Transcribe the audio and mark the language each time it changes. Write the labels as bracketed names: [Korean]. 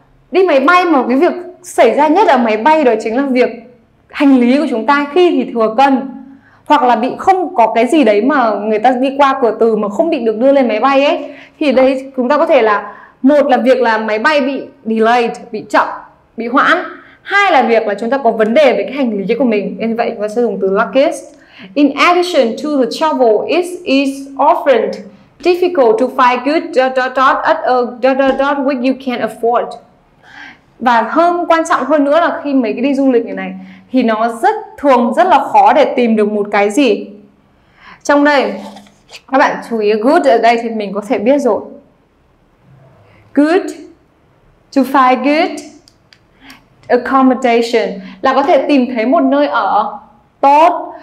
[Vietnamese] Đi máy bay mà cái việc xảy ra nhất ở máy bay đó chính là việc hành lý của chúng ta khi thì thừa cân, hoặc là bị không có cái gì đấy mà người ta đi qua cửa từ mà không bị được đưa lên máy bay ấy. Thì đây chúng ta có thể là, một là việc là máy bay bị delayed, bị chậm, bị hoãn. Hai là việc là chúng ta có vấn đề với cái hành lý của mình. Nên vậy chúng ta sẽ dùng từ luckiest. [English] In addition to the travel, it is often difficult to find good dot dot dot at a dot dot dot which you can afford. [Vietnamese] Và hơn quan trọng hơn nữa là khi mấy cái đi du lịch này thì nó rất thường rất là khó để tìm được một cái gì. Trong đây, các bạn chú ý good ở đây thì mình có thể biết rồi. [English] Good, to find good accommodation [Vietnamese] là có thể tìm thấy một nơi ở tốt.